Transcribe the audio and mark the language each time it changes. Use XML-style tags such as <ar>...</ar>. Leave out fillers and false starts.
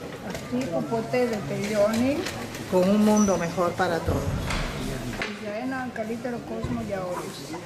<el>Αυτή που ποτέ δεν τελειώνει.</el> <es>Con un mundo mejor para todos.</es> <el>Για έναν καλύτερο κόσμο για όλους.</el>